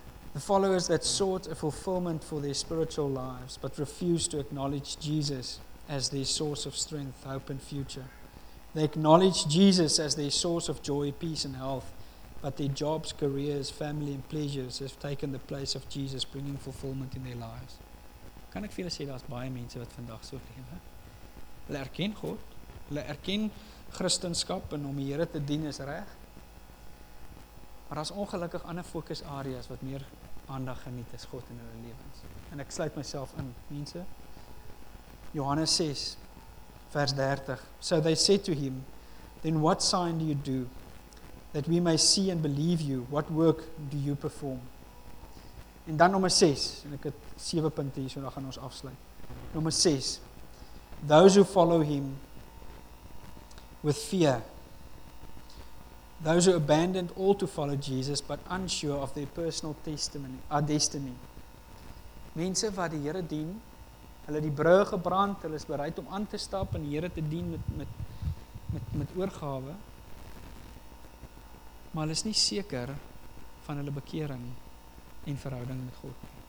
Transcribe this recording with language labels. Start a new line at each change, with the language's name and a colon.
English: The followers that sought a fulfillment for their spiritual lives, but refused to acknowledge Jesus as their source of strength, hope and future. They acknowledged Jesus as their source of joy, peace and health, but their jobs, careers, family and pleasures have taken the place of Jesus, bringing fulfillment in their lives.
Afrikaans: Kan ek vir julle sê, daar's baie mense wat vandag so lewe. Hulle erken God, hulle erken Christendom en om die Here te dien is reg. Maar daar's ongelukkig ander fokusareas wat meer aandag geniet as God in hulle lewens. En ek sluit myself in, mense. Johannes 6 vers 30.
English: So they said to him, then what sign do you do that we may see and believe you? What work do you perform?
Afrikaans: En dan nommer 6, en ek het 7 punte hier, so dan gaan ons afsluit. Nommer 6,
English: those who follow him with fear. Those who abandoned all to follow Jesus, but unsure of their personal testimony, our destiny.
Afrikaans: Mense wat die Here dien, hulle die brug gebrand, hulle is bereid om aan te stap en die Here te dien met oorgawe. Maar hulle is nie seker van hulle bekering en verhouding met God.